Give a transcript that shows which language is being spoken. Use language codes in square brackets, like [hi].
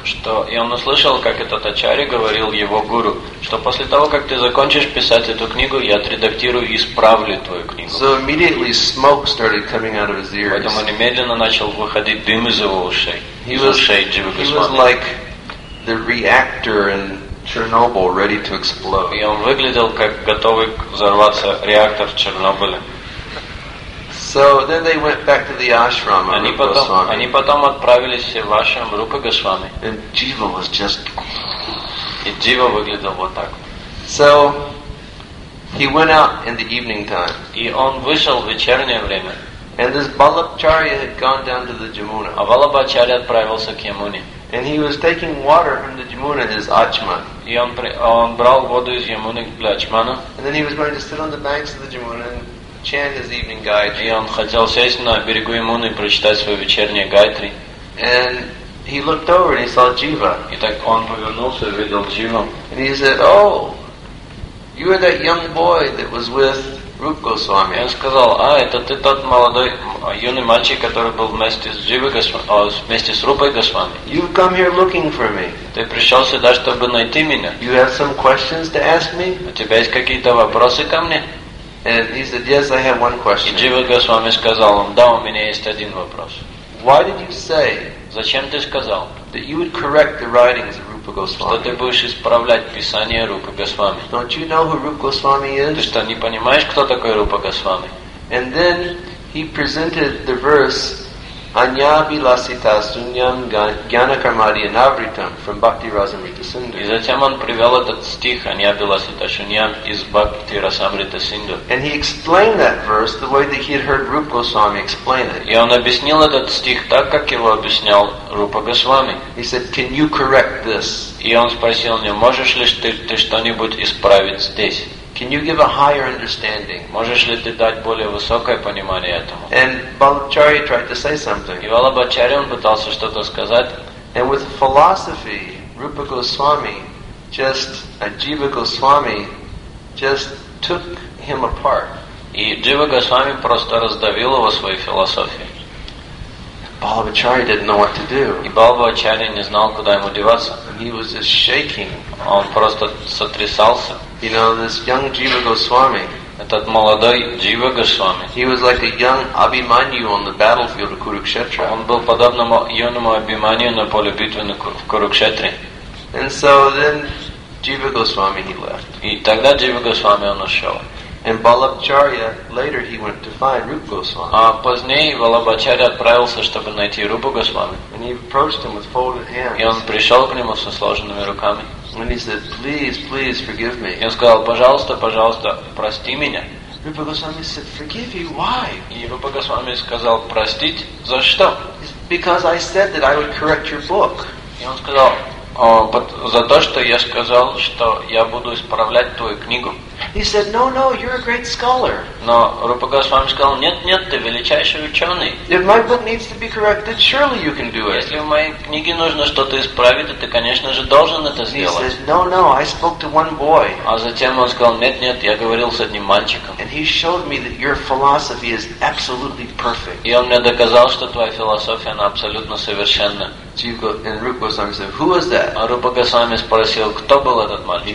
[ru] Что и он услышал, как этот ачарья говорил его гуру, что после того, как ты закончишь писать эту книгу, я отредактирую и исправлю твою книгу. [en] So immediately smoke started coming out of his ears. [ru] Поэтому немедленно начал выходить дым из его ушей. [en] He was like the reactor in Chernobyl, ready to explode. [ru] И он выглядел как готовый взорваться реактор в Чернобыле. [en] So then they went back to the ashram of Rupa Goswami. [ru] Они потом отправились в ашрам Рупа Госвами. [en] And Jiva was just. [ru] И Джива выглядел вот так. [en] So he went out in the evening time. [ru] И он вышел в вечернее время. [en] And this Balabhacharya had gone down to the Jamuna. [ru] А Балабхачарья отправился к Ямуне. [en] And he was taking water from the Jamuna in his Achman. [ru] И он брал воду из Ямуны для Ачмана. [en] And then he was going to sit on the banks of the Jamuna and chant his evening Gayatri. [ru] И он хотел сесть на берегу Ямуны и прочитать свою вечернюю Гайтри. [en] And he looked over and he saw Jiva. [ru] И так он повернулся и видел Джива. [en] And he said, "Oh, you are that young boy that was with Rupa Goswami." [ru] И он сказал, "А, это ты тот молодой юный мальчик, который был вместе с Джива вместе с Рупой Госвами. [en] You've come here looking for me. [ru] Ты пришел сюда, чтобы найти меня. [en] You have some questions to ask me? [ru] У тебя есть какие-то вопросы ко мне?" [en] And he said, "Yes, I have one question." [ru] И Джива Госвами сказал, "Да, у меня есть один вопрос." [en] Why did you say? [ru] Зачем ты сказал? [en] That you would correct the writings of Rupa Goswami. [ru] Что ты будешь исправлять писание Рупы Госвами? [en] Don't you know who Rupa Goswami is? [ru] Ты что, не понимаешь, кто такой Рупа Госвами? [en] And then he presented the verse [sa] "Anya bilasita sunyam gyana karmadi anavritam" [en] from Bhakti Rasamrita Sindhu. [ru] И затем он привел этот стих [sa] "Anya bilasita sunyam" [ru] из Бхакти Расамрита Синду. [en] And he explained that verse the way that he had heard Rupa Goswami explain it. [ru] И он объяснил этот стих так, как его объяснял Рупа Госвами. [en] He said, "Can you correct this?" [ru] И он спросил него, можешь ли ты что-нибудь исправить здесь? [en] Can you give a higher understanding? [ru] Можешь ли ты дать более высокое понимание этому? [en] And Balabhacharya tried to say something. [ru] И Балабхачарья пытался что-то сказать. [en] And with philosophy, Rupa Goswami, just Jiva Goswami, just took him apart. [ru] И Джива Госвами просто раздавил его своей философией. [en] Balabhacharya didn't know what to do. [ru] И Балабхачарья не знал, куда ему деваться. [en] And he was just shaking. [ru] Он просто сотрясался. [en] You know, this young Jiva Goswami. [ru] Этот молодой Джива Госвами. [en] He was like a young Abhimanyu on the battlefield of Kurukshetra. [ru] Он был подобному юному Абхиманию на поле битвы в Курукшетре. [en] And so then Jiva Goswami he left. [ru] И тогда Джива Госвами он ушел. [en] And Balabhacharya later he went to find Rupa Goswami. [ru] А позднее Балабхачарья отправился, чтобы найти Рупу Госвами. [en] And he approached him with folded hands. [ru] И он пришел к нему со сложенными руками. [en] And he said, "Please, please forgive me." [ru] И он сказал, пожалуйста, пожалуйста, прости меня. [en] Rupa Goswami said, "Forgive you? Why?" [ru] И Рупа Госвами сказал, простить за что? [en] "Because I said that I would correct your book." [ru] И он сказал, за то, что я сказал, что я буду исправлять твою книгу. [en] He said, no, you're a great scholar. [ru] Но Рупа Госвами сказал, нет, ты величайший ученый. [en] If my book needs to be corrected, surely you can do it. [ru] Если в моей книге нужно что-то исправить, ты, конечно же, должен это сделать. [en] He said, no, I spoke to one boy. [ru] А затем он сказал, нет, я говорил с одним мальчиком. [en] And he showed me that your philosophy is absolutely perfect. [ru] И он мне доказал, что твоя философия, она абсолютно совершенна. [en] And Rupa Goswami said, "Who was that?" [ru] А Рупа Госвами спросил, кто был этот мальчик?